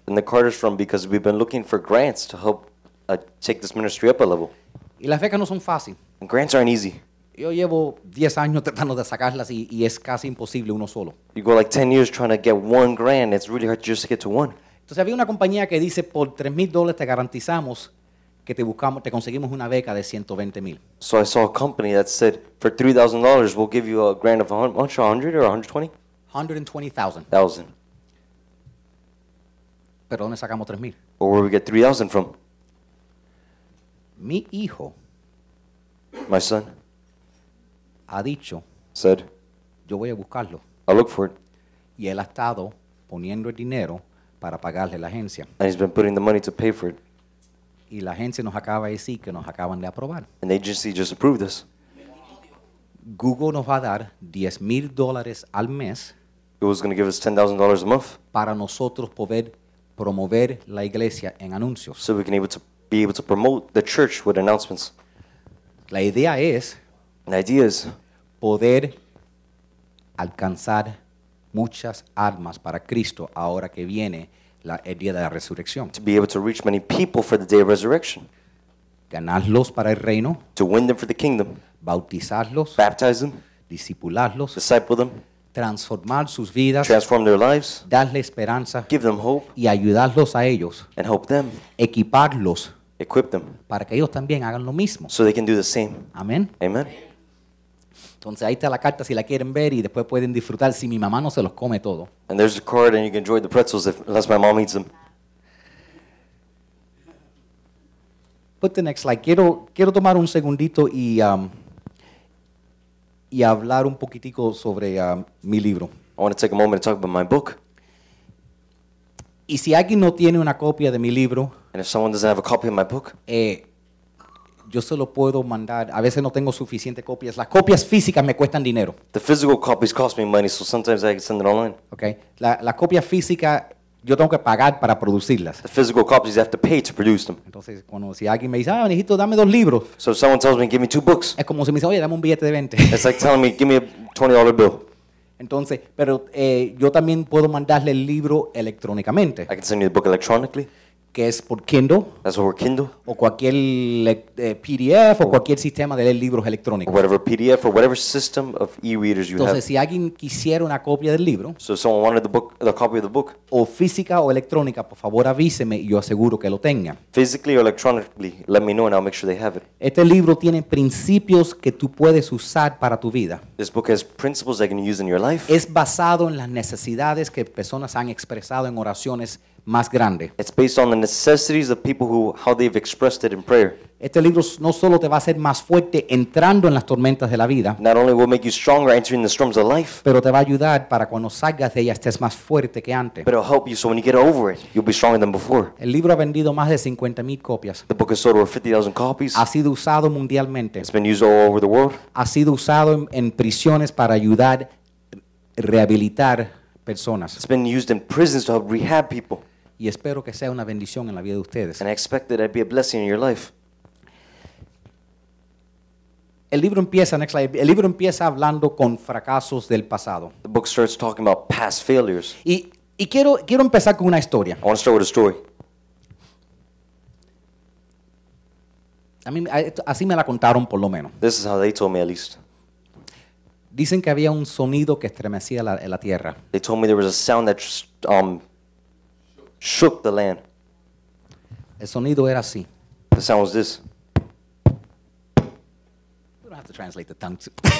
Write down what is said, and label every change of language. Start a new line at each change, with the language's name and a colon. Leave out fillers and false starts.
English: And the card is from because we've been looking for grants to help take this ministry up a level.
Spanish: Y las becas no son fáciles.
English: And grants aren't easy.
Spanish: Yo llevo 10 años tratando de sacarlas y es casi imposible uno solo.
English: You go like 10 years trying to get one grant. It's really hard just to get to one.
Spanish: Entonces había una compañía que dice por $3,000 te garantizamos que te buscamos, te conseguimos una beca de 120,000.
English: So I saw a company that said, for $3,000, we'll give you a grant of 100 or 120? 120,000.
Spanish: ¿Pero dónde sacamos 3,000?
English: Or where we get 3,000 from?
Spanish: Mi hijo.
English: My son.
Spanish: Ha dicho.
English: Said.
Spanish: Yo voy a buscarlo.
English: I'll look for it.
Spanish: Y él ha estado poniendo el dinero para pagarle la agencia.
English: And he's been putting the money to pay for it.
Spanish: Y la agencia nos acaba de decir que nos acaban de aprobar.
English: And the agency just approved us.
Spanish: Google nos va a dar $10,000 al mes.
English: Google's going to give us $10,000 a month.
Spanish: Para nosotros poder promover la iglesia en anuncios.
English: So we can be able to promote the church with announcements.
Spanish: La idea es.
English: The idea is.
Spanish: Poder alcanzar muchas almas para Cristo ahora que viene. El día de la resurrección.
English: To be able to reach many people for the day of resurrection.
Spanish: Ganarlos para el reino.
English: To win them for the kingdom.
Spanish: Bautizarlos.
English: Baptize them.
Spanish: Discipularlos.
English: Disciple them.
Spanish: transformar sus vidas,
English: transform their lives,
Spanish: darle esperanza,
English: give them hope,
Spanish: y ayudarlos a ellos,
English: and help them,
Spanish: equiparlos,
English: equip them,
Spanish: para que ellos también hagan lo mismo,
English: so they can do the same.
Spanish: Amén.
English: Amen.
Spanish: Entonces ahí está la carta si la quieren ver y después pueden disfrutar si mi mamá no se los come todo.
English: And there's a card and you can enjoy the pretzels if, unless my mom eats them. Put the next slide.
Spanish: Quiero tomar un segundito y hablar un poquitico sobre mi libro.
English: I want to take a moment to talk about my book.
Spanish: Y si alguien no tiene una copia de mi libro,
English: and if someone doesn't have a copy of my book,
Spanish: yo se lo puedo mandar. A veces no tengo suficientes copias. Las copias físicas me cuestan dinero.
English: The physical copies cost me money, so sometimes I can send it online. Okay.
Spanish: La copia física, yo tengo que pagar para producirlas.
English: The physical copies, you have to pay to produce them.
Spanish: Entonces, cuando si alguien me dice, ah, manejito, dame dos libros.
English: So if someone tells me, give me two books.
Spanish: Es como si me dice, oye, dame un billete de 20.
English: It's like telling me, give me a $20 bill.
Spanish: Entonces, pero yo también puedo mandarle el libro electrónicamente.
English: I can send you the book electronically.
Spanish: Que es por Kindle.
English: That's over Kindle.
Spanish: O cualquier PDF o cualquier sistema de leer libros electrónicos.
English: Or whatever PDF or whatever system of e-readers you
Spanish: Entonces, Entonces, si alguien quisiera una copia del libro.
English: So if someone wanted the book, the copy of the book.
Spanish: O física o electrónica, por favor avíseme y yo aseguro que lo tenga.
English: Physically or electronically, let me know and I'll make sure they have it.
Spanish: Este libro tiene principios que tú puedes usar para tu vida.
English: This book has principles that you can use in your life.
Spanish: Es basado en las necesidades que personas han expresado en oraciones más grande.
English: It's based on the necessities of people who, how they've expressed it in prayer.
Spanish: Este libro no solo te va a hacer más fuerte entrando en las tormentas de la vida.
English: Not only will make you stronger entering the storms of life.
Spanish: Pero te va a ayudar para cuando salgas de ella estés más fuerte que antes.
English: But it'll help you so when you get over it, you'll be stronger than before.
Spanish: El libro ha vendido más de 50,000 copias.
English: The book has sold over 50,000 copies.
Spanish: Ha sido usado mundialmente.
English: It's been used all over the world.
Spanish: Ha sido usado en prisiones para ayudar rehabilitar personas.
English: It's been used in prisons to help rehab people.
Spanish: Y espero que sea una bendición en la vida de ustedes.
English: And I expect that it'd be a blessing in your life.
Spanish: El libro empieza,
English: next slide,
Spanish: el libro empieza hablando con fracasos del pasado.
English: The book starts talking about past failures.
Spanish: Y quiero empezar con una historia.
English: I want to start with a story.
Spanish: A mí, así me la contaron por lo menos.
English: This is how they told me at least.
Spanish: Dicen que había un sonido que estremecía la tierra.
English: They told me there was a sound that shook the land.
Spanish: El sonido era así.
English: The sound was this. We don't have to translate the tongue too.